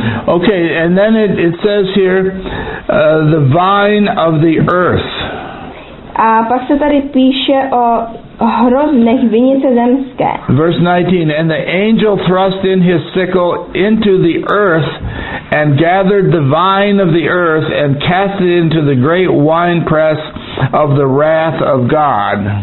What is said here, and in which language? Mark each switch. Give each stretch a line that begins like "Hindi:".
English: Okay, and then it says here, the vine of the earth.
Czech: A pak se tady píše o hroznech vinice zemské.
English: Verse 19, and the angel thrust in his sickle into the earth and gathered the vine of the earth and cast it into the great winepress of the wrath of God.